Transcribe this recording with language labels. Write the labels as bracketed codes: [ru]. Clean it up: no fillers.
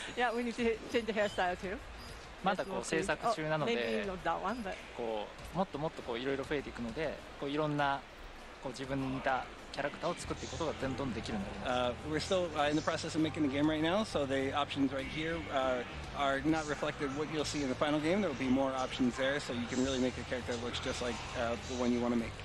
[en] Yeah, we need to change the hairstyle too. [ja] まだこう制作中なので、こうもっともっとこういろいろ増えていくので、こういろんなこう自分に似たキャラクターを作っていくことがどんどんできるんだと思います。 [en] We're still in the process of making the game right now, so the options right here are not reflected what you'll see in the final game. There will be more options there, so you can really make a character that looks just like the one you want to make.